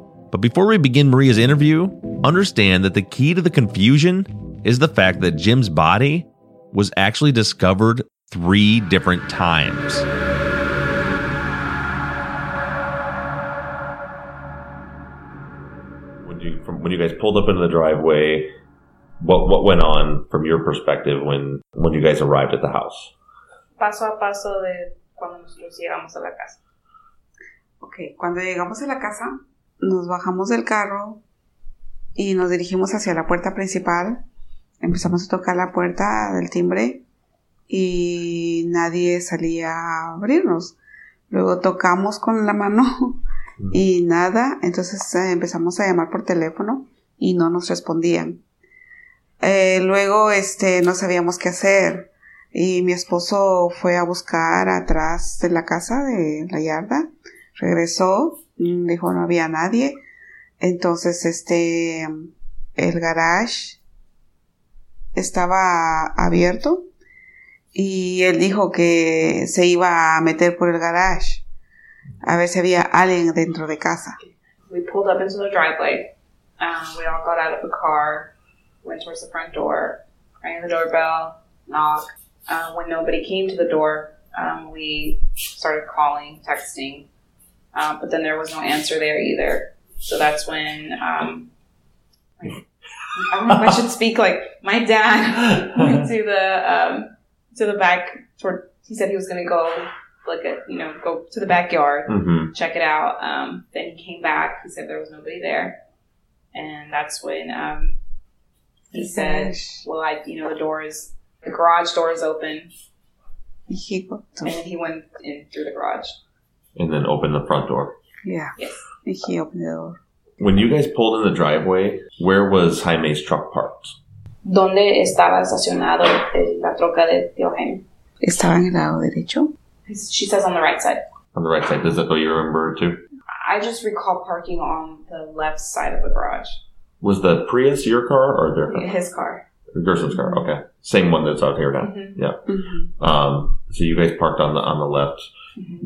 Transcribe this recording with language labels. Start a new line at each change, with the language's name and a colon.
English: But before we begin Maria's interview, understand that the key to the confusion is the fact that Jim's body was actually discovered three different times. When you guys pulled up into the driveway, what went on from your perspective when you guys arrived at the house?
Spanish: Paso a paso de cuando nosotros llegamos a la casa. Okay, cuando llegamos a la casa, nos bajamos del carro y nos dirigimos hacia la puerta principal. Empezamos a tocar la puerta del timbre y nadie salía a abrirnos. Luego tocamos con la mano y nada. Entonces empezamos a llamar por teléfono y no nos respondían. Luego no sabíamos qué hacer. Y mi esposo fue a buscar atrás de la casa, de la yarda. Regresó, dijo no había nadie. Entonces el garage estaba abierto y él dijo que se iba a meter por el garage a ver si había alguien dentro de casa.
English: We pulled up into the driveway. We all got out of the car, went towards the front door, rang the doorbell, knock. When nobody came to the door, we started calling, texting, but then there was no answer there either. So that's when I don't know if I should speak. Like, my dad went to the back. He said he was going to go, go to the backyard, check it out. Then he came back. He said there was nobody there. And that's when he said, well, the door is, the garage door is open. And he went in through the garage. And then opened the front door. Yeah. Yes. He opened the door. When you guys pulled in the driveway, where was Jaime's truck parked?
Spanish: ¿Dónde estaba estacionado la troca de tío Jaime? Estaba en el lado derecho.
English: She says on the right side. On the right side. Is that what you remember too? I just recall parking on the left side of the garage. Was the Prius your car or their car? His car. Gerson's car. Okay. Same one that's out here now. Mm-hmm. Yeah. Mm-hmm. So you guys parked on the left. Mm-hmm.